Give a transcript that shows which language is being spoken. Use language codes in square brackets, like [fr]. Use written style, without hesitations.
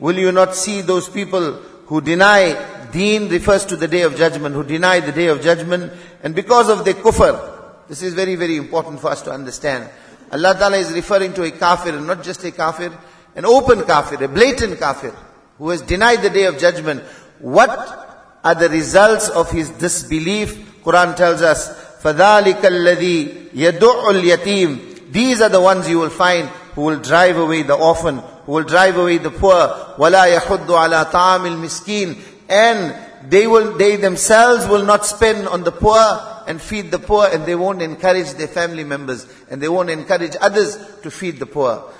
[en] Will you not see those people who deny, deen refers to the day of judgment, who deny the day of judgment, and because of their kufr, this is very, very important for us to understand. Allah ta'ala is referring to a kafir, and not just a kafir, an open kafir, a blatant kafir, who has denied the day of judgment. What are the results of his disbelief? Quran tells us, [ar] فَذَٰلِكَ الَّذِي يَدُعُ الْيَتِيمِ. [en] These are the ones you will find who will drive away the orphan, who will drive away the poor. [ar] وَلَا يَحُدُّ عَلَىٰ طَعَامِ الْمِسْكِينِ. [en] And they themselves will not spend on the poor and feed the poor, and they won't encourage their family members, and they won't encourage others to feed the poor.